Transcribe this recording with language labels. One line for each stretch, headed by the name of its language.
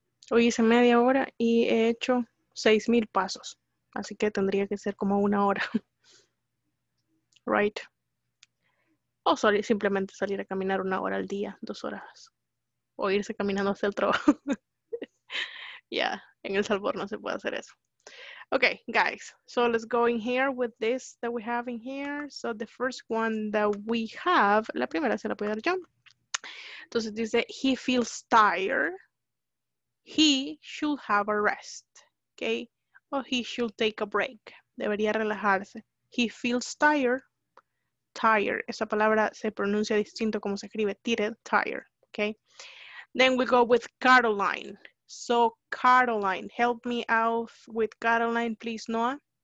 Spanish: Hoy hice media hora y he hecho 6,000 pasos. Así que tendría que ser como una hora. Right. O simplemente salir a caminar una hora al día, 2 horas. O irse caminando hacia el trabajo. Yeah, en El Salvador no se puede hacer eso.
English: Okay, guys, so let's go in here with this that we have in here. So the first one that we have,
Spanish: la primera se la puede dar yo. Entonces dice,
English: he feels tired. He should have a rest, okay? Or he should take a break.
Spanish: Debería relajarse.
English: He feels tired. Tired.
Spanish: Esa palabra se pronuncia distinto como se escribe.
English: Tired, tired, okay? Then we go with Caroline. So, Caroline, help me out with Caroline, please, Noah.